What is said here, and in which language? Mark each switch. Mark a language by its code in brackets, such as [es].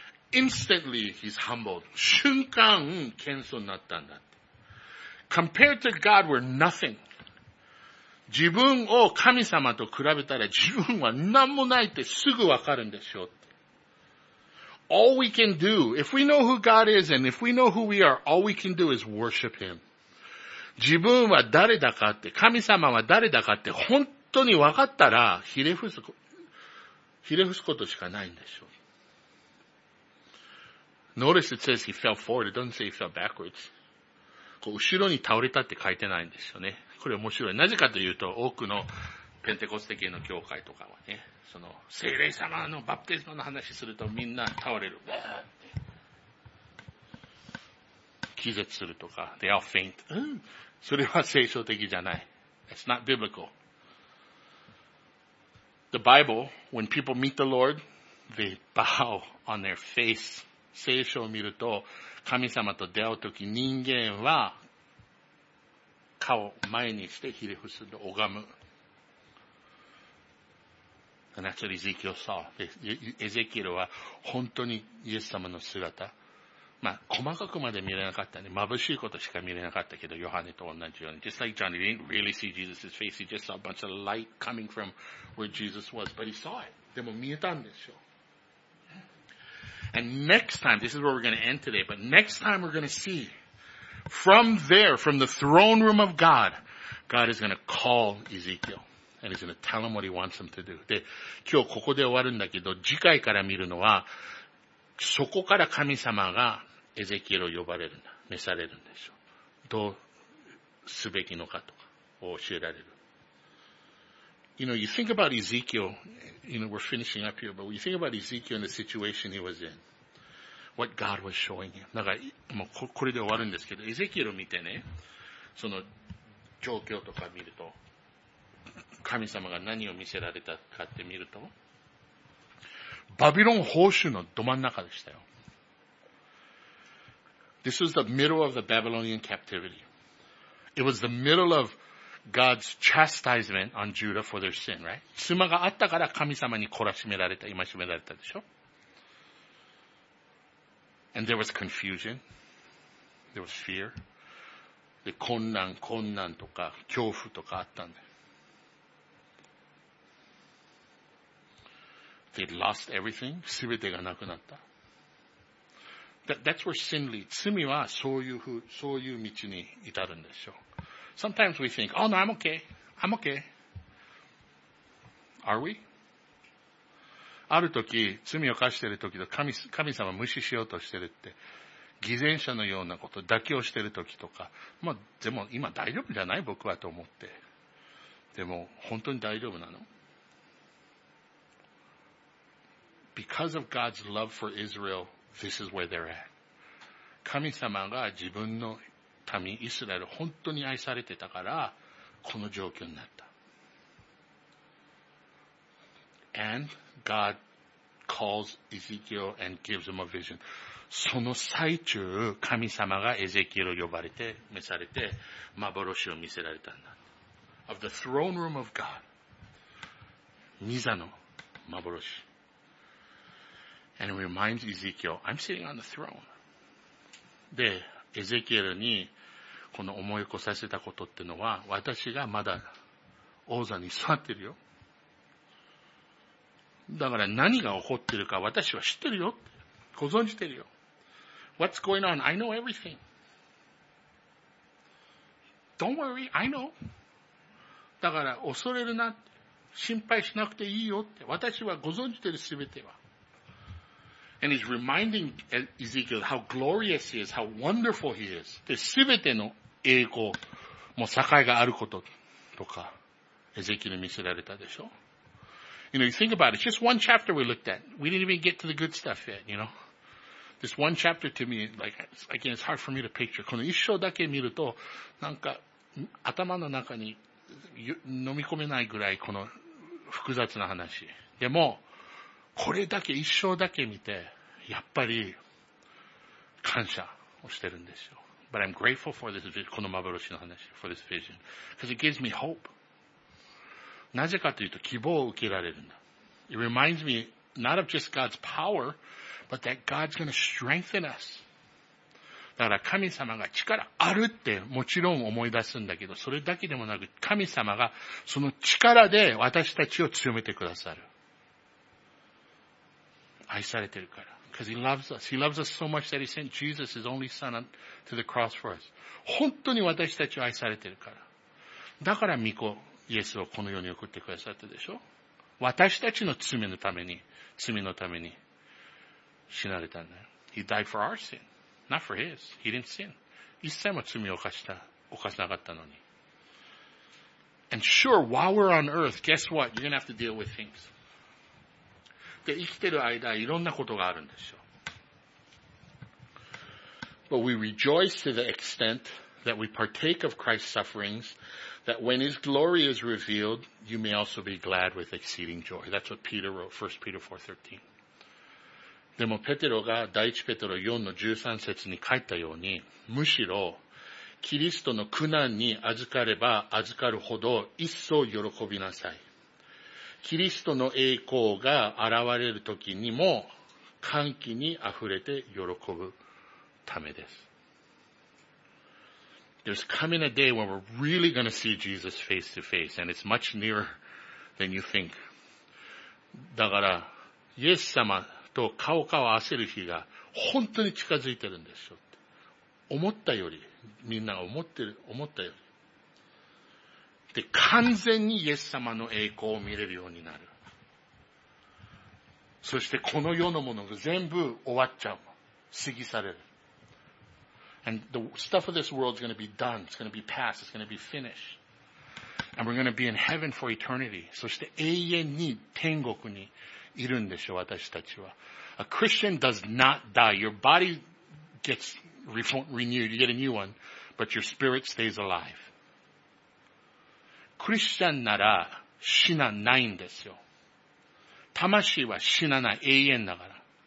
[en] Instantly he's humbled. [ja] 瞬間、謙遜になったんだって。 [en] Compared to God, we're nothing. [ja] 自分を神様と比べたら自分は何もないってすぐわかるんですよ。 [en] All we can do, if we know who God is and if we know who we are, all we can do is worship Him. [ja] 自分は誰だかって、神様は誰だかって、本当に分かったら、ひれ伏すことしかないんでしょう。 [en] Notice it says he fell forward, it doesn't say he fell backwards. [ja] こう後ろに倒れたって書いてないんですよね。これ面白い。なぜかというと、多くのペンテコステ系の教会とかはね、その聖霊様のバプテスマの話するとみんな倒れる。気絶するとか、 [en] they all faint. [ja] それは聖書的じゃない。 [en] It's not biblical. The Bible, when people meet the Lord, they bow on their face. [ja] 聖書を見ると、神様と出会うとき人間は顔を前にしてひれ伏すと拝む。 [en] And that's what Ezekiel saw. [ja] Ezekiel は本当にイエス様の姿。まあ、細かくまで見れなかったね。眩しいことしか見れなかったけど、ヨハネと同じように。 [en] Just like John, he didn't really see Jesus' face. He just saw a bunch of light coming from where Jesus was. But he saw it. [ja] でも見えたんですよ。 [en] And next time, this is where we're going to end today, but next time we're going to see from there, from the throne room of God, God is going to call Ezekiel. And he's going to tell him what he wants him to do. [ja] で、今日ここで終わるんだけど、次回から見るのは、そこから神様がエゼキエルを呼ばれるんだ。召されるんでしょう。どうすべきのかとか、を教えられる。 [en] You know, you think about Ezekiel, you know, we're finishing up here, but when you think about Ezekiel and the situation he was in, what God was showing him. [ja] だから、もうこれで終わるんですけど、エゼキエルを見てね、その状況とか見ると、神様が何を見せられたかって見ると、バビロン報酬のど真ん中でしたよ。 [en] This was the middle of the Babylonian captivity. It was the middle of God's chastisement on Judah for their sin, right? [ja] 妻があったから神様に懲らしめられた、戒められたでしょ。 [en] And there was confusion. There was fear. [ja] で、困難とか恐怖とかあったんだよ。 [en] They'd lost everything. [ja] 全てがなくなった。 [en] That's where sin leads. [ja] 罪はそういう道に至るんでしょう。 [en] Sometimes we think, oh no, I'm okay. I'm okay. Are we? [ja] ある時、罪を犯している時と神様を無視しようとしてるって、偽善者のようなこと、妥協してる時とか、まあでも今大丈夫じゃない僕はと思って。でも本当に大丈夫なの？ [en] Because of God's love for Israel, this is where they're at. [ja] 神様が自分の民イスラエル本当に愛されてたからこの状況になった。 [en] And God calls Ezekiel and gives him a vision. [ja] その最中神様がエゼキエルを呼ばれて召されて幻を見せられたんだ。 [en] Of the throne room of God. [ja] ニザの幻。 [en] And reminds Ezekiel, I'm sitting on the throne. [ja] で、エゼキエルにこの思い起こさせたことってのは、私がまだ王座に座ってるよ。だから何が起こってるか私は知ってるよ。ご存じてるよ。 [en] What's going on? I know everything. Don't worry, I know. [ja] だから恐れるな。心配しなくていいよって。私はご存じてる全ては。 [en] And he's reminding Ezekiel how glorious he is, how wonderful he is. [ja] で、すべての栄光、もう境があることとか、エゼキエルに見せられたでしょ。 [en] You know, you think about it. It's just one chapter we looked at. We didn't even get to the good stuff yet, you know. This one chapter to me, like, again, it's hard for me to picture. [ja] この一章だけ見ると、なんか、頭の中に飲み込めないぐらいこの複雑な話。でも、これだけ一生だけ見てやっぱり感謝をしてるんですよ。 [en] But I'm grateful for this vision, [ja] この幻の話 [en] for this vision, because it gives me hope. [ja] なぜかというと希望を受けられるんだ。 [en] It reminds me not of just God's power, but that God's going to strengthen us. [ja] だから神様が力あるってもちろん思い出すんだけど、それだけでもなく神様がその力で私たちを強めてくださる。愛されてるから。 [en] Because he loves us. He loves us so much that he sent Jesus, his only son, to the cross for us. [ja] 本当に私たちを愛されてるから。だから御子イエスをこの世に送ってくださったでしょ。私たちの罪のために、罪のために死なれたんだよ。 [en] He died for our sin, not for his. He didn't sin. [ja] 一切も罪を犯さなかったのに。 [en] And sure, while we're on earth, guess what? You're going to have to deal with things. [ja] で、生きてる間、いろんなことがあるんですよ。 [en] But we rejoice to the extent that we partake of Christ's sufferings, that when his glory is revealed, you may also be glad with exceeding joy. That's what Peter wrote, 1 Peter 4:13. [ja] でも、ペテロが第1ペテロ4の13節に書いたように、むしろ、キリストの苦難に預かれば預かるほど、一層喜びなさい。キリストの栄光が現れる時にも歓喜にあふれて喜ぶためです。 [en] There's coming a day when we're really going to see Jesus face to face, and it's much nearer than you think. [ja] だから、イエス様と顔を合わせる日が本当に近づいてるんですよって。思ったより、みんなが思ったより。で、完全にイエス様の栄光を見れるようになる。そしてこの世のものが全部終わっちゃう。過ぎ去れる。 [en] And the stuff of this world is going to be done. It's going to be past. It's going to be finished. And we're going to be in heaven for eternity. [ja] そして永遠に天国にいるんでしょう、私たちは。 [en] A Christian does not die. Your body gets renewed. You get a new one. But your spirit stays alive. [ja] クリスチャンなら死なないんですよ。魂は死なない、永遠だから。